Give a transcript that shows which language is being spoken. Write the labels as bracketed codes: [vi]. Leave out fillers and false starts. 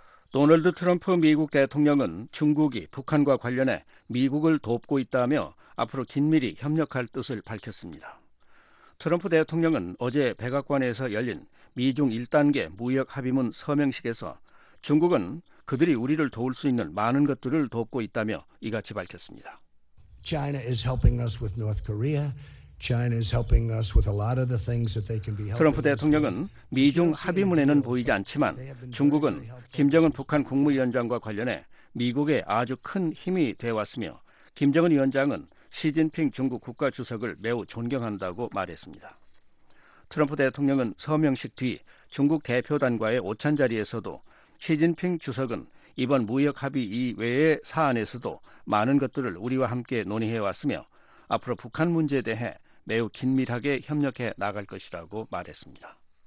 [ko] 도널드 트럼프 미국 대통령은 중국이 북한과 관련해 미국을 돕고 있다며 앞으로 긴밀히 협력할 뜻을 밝혔습니다. 트럼프 대통령은 어제 백악관에서 열린 미중 1단계 무역 합의문 서명식에서 중국은 그들이 우리를 도울 수 있는 많은 것들을 돕고 있다며 이같이 밝혔습니다. [en] China is helping us with North Korea. China is helping us with a lot of the things that they can be helping. [ko] 트럼프 대통령은 미중 합의문에는 보이지 않지만 중국은 김정은 북한 국무위원장과 관련해 미국에 아주 큰 힘이 되어 왔으며 김정은 위원장은 시진핑 중국 국가 주석을 매우 존경한다고 말했습니다. 트럼프 대통령은 서명식 뒤 중국 대표단과의 오찬 자리에서도 시진핑 주석은 이번 무역 합의 이외의 사안에서도 많은 것들을 우리와 함께 논의해 왔으며 앞으로 북한 문제에 대해 매우 긴밀하게 협력해 나갈 것이라고 말했습니다.